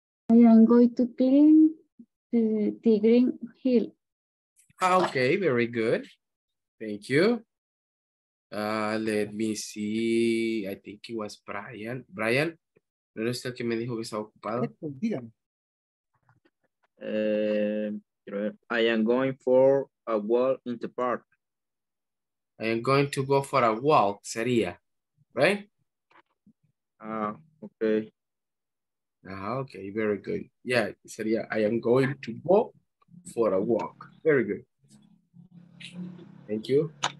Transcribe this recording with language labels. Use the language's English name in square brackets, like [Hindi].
[English] I am going to clean the green hill. Okay, very good. Thank you. Let me see. I think it was Brian. [Spanish] Brian, ¿no es el que me dijo que estaba ocupado? [English] I am going for a walk in the park. I am going to go for a walk, [Spanish] sería, [English] right? Okay. Ah, okay, very good. Yeah, [Spanish] sería, [English] I am going to go for a walk. Very good. Thank you.